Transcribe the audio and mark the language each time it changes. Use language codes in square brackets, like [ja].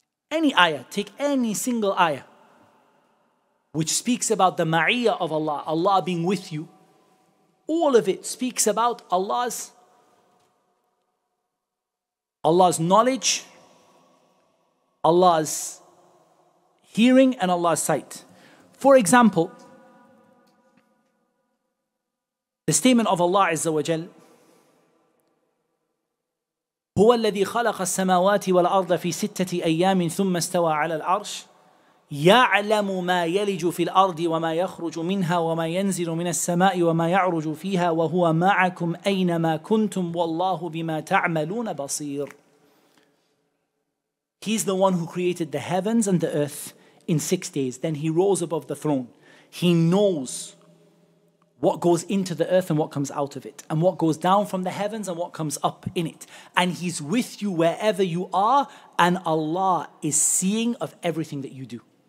[en] Any ayah, take any single ayah which speaks about the ma'iyah of Allah, Allah being with you, all of it speaks about Allah's knowledge, Allah's hearing, and Allah's sight. For example, the statement of Allah Azza wa Jal, [ar] هو الذي خلق السماوات والأرض في ستة أيام ثم استوى على العرش يعلم ما يلج في الأرض وما يخرج منها وما ينزل من السماء وما يعرج فيها وهو معكم أينما كنتم والله بما تعملون بصير. [en] He's the one who created the heavens and the earth in 6 days. Then he rose above the throne. He knows what goes into the earth and what comes out of it, and what goes down from the heavens and what comes up in it. And he's with you wherever you are, and Allah is seeing of everything that you do.